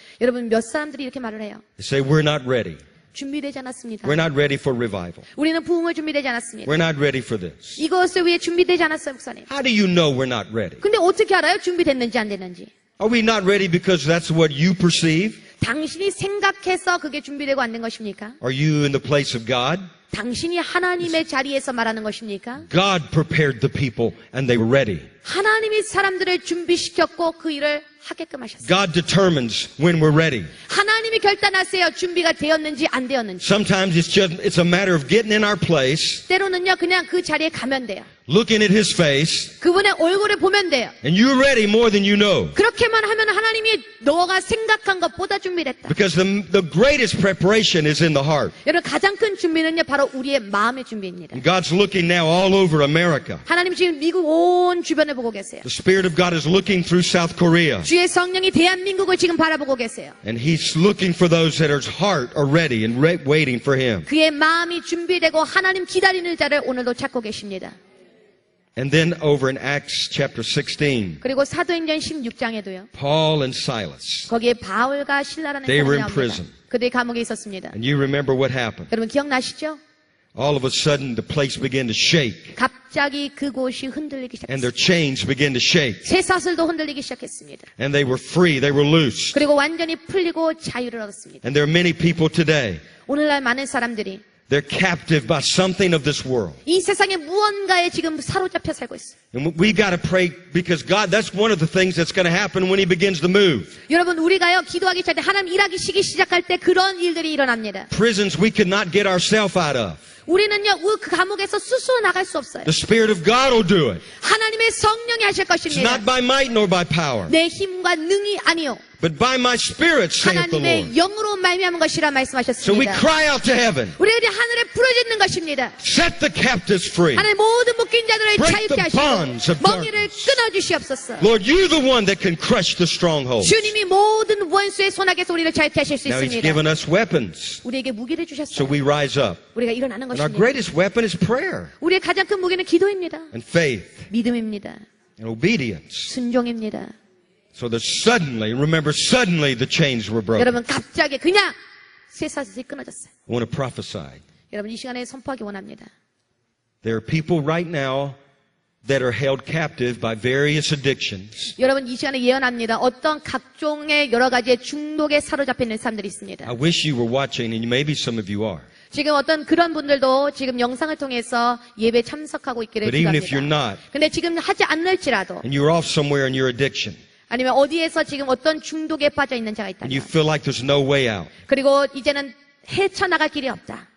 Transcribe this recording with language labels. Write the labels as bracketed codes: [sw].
[ko] 여러분 몇 사람들이 이렇게 말을 해요? [en] Say we're not ready. [ko] 준비되지 않았습니다. [en] We're not ready for revival. [ko] 우리는 부흥을 준비되지 않았습니다. [en] We're not ready for this. [ko] 이것을 위해 준비되지 않았어요, 목사님. [en] How do you know we're not ready? [ko] 근데 어떻게 알아요? 준비됐는지 안 됐는지. [en] Are we not ready because that's what you perceive? [ko] 당신이 생각해서 그게 준비되고 안 된 것입니까? [en] Are you in the place of God? [ko] 당신이 하나님의 자리에서 말하는 것입니까? [en] God prepared the people and they were ready. [ko] 하나님이 사람들을 준비시켰고 그 일을 하게끔 하셨어요. [en] God determines when we're ready. [ko] 하나님이 결단하세요. 준비가 되었는지 안 되었는지. [en] Sometimes it's a matter of getting in our place. [ko] 때로는요 그냥 그 자리에 가면 돼요. [en] Looking at his face. [ko] 그분의 얼굴을 보면 돼요. [en] And you're ready more than you know. [ko] 그렇게만 하면 하나님이 너가 생각한 것보다 준비됐다. [en] Because the greatest preparation is in the heart. [ko] 여러분 가장 큰 준비는요 바로 우리의 마음의 준비입니다. [en] And God's looking now all over America. [ko] 하나님 지금 미국 온 주변 [en] The Spirit of God is looking through South Korea. [ko] 주의 성령이 대한민국을 지금 바라보고 계세요. [en] And He's looking for those that His heart are ready and waiting for Him. [ko] 그의 마음이 준비되고 하나님 기다리는 자를 오늘도 찾고 계십니다. [en] And then over in Acts chapter 16. [ko] 그리고 사도행전 16장에도요. [en] Paul and Silas. [ko] 거기에 바울과 실라라는 [en] They were in prison. [ko] 그들이 감옥에 있었습니다. [en] And you remember what happened? [ko] 여러분 기억나시죠? [en] All of a sudden, the place began to shake. [ko] 갑자기 그곳이 흔들리기 시작했어요. [en] And their chains began to shake. [ko] 쇠사슬도 흔들리기 시작했습니다. [en] And they were free. They were loose. [ko] 그리고 완전히 풀리고 자유를 얻었습니다. [en] And there are many people today. [ko] 오늘날 많은 사람들이. [en] They're captive by something of this world. [ko] 이 세상의 무언가에 지금 사로잡혀 살고 있어. [en] And we got to pray because God. That's one of the things that's going to happen when He begins to move. [ko] 여러분 우리가요 기도하기 시작할 때 하나님 일하시기 시작할 때 그런 일들이 일어납니다. [en] Prisons we could not get ourselves out of. [ko] 우리는요 그 감옥에서 스스로 나갈 수 없어요. [en] The Spirit of God will do it. [ko] 하나님의 성령이 하실 것입니다. [en] It's not by might nor by power. [ko] 내 힘과 능이 아니요. [en] But by my Spirit, saith the Lord. [ko] 하나님의 영으로 말미암은 것이라 말씀하셨습니다. [en] So we cry out to heaven. [ko] 우리들이 하늘에 부르짖는 것입니다. [en] Set the captives free. [ko] 하나님 모든 묶인 자들을 자유케 하시고 [en] bonds of [ko] 멍에를 끊어주시옵소서. [en] Lord, you're the one that can crush the strongholds. [ko] 주님이 모든 원수의 손아귀에서 우리를 자유케 하실 수 있습니다. [en] Now He's given us weapons. [ko] 우리에게 무기를 주셨어요. [en] So we rise up. [ko] 우리가 일어나는 것입니다. [en] Our greatest weapon is prayer. [ko] 우리의 가장 큰 무기는 기도입니다. [en] And faith. [ko] 믿음입니다. [en] And obedience. [ko] 순종입니다. [en] So the suddenly, remember, suddenly the chains were broken. [ko] 여러분 갑자기 그냥 쇠사슬이 끊어졌어요. [en] I want to prophesy. [ko] 여러분 이 시간에 선포하기 원합니다. [en] There are people right now that are held captive by various addictions. [ko] 여러분 이 시간에 예언합니다. 어떤 각종의 여러 가지의 중독에 사로잡혀 있는 사람들이 있습니다. [en] I wish you were watching, and maybe some of you are. [ko] 지금 어떤 그런 분들도 지금 영상을 통해서 예배 참석하고 있기를 기도합니다. 근데 지금 하지 않을지라도. [en] And you're off somewhere in your addiction. [ko] 아니면 어디에서 지금 어떤 중독에 빠져 있는 자가 있다면 [en] you feel like there's no way out. [ko] 그리고 이제는 헤쳐나갈 길이 없다.